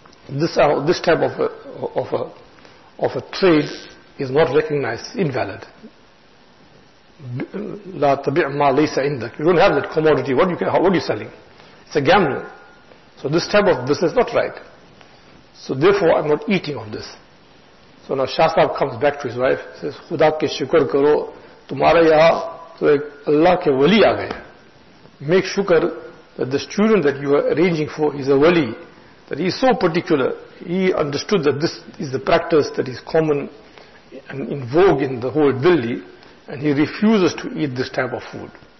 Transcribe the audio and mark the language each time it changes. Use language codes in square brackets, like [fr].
[en] This type of a trade is not recognized, invalid. [ar] لا تبع ما ليس عندك. [en] You don't have that commodity. What are you selling? It's a gamble. So this type of business is not right. So therefore, I'm not eating of this. So now Shah Sahib comes back to his wife, says, [ur] خدا کے شکر کرو تمہارا یہاں تو ایک اللہ کے ولی آگئے. [en] Make shukr that the student that you are arranging for is a wali, that he is so particular, he understood that this is the practice that is common and in vogue in the whole Delhi, and he refuses to eat this type of food.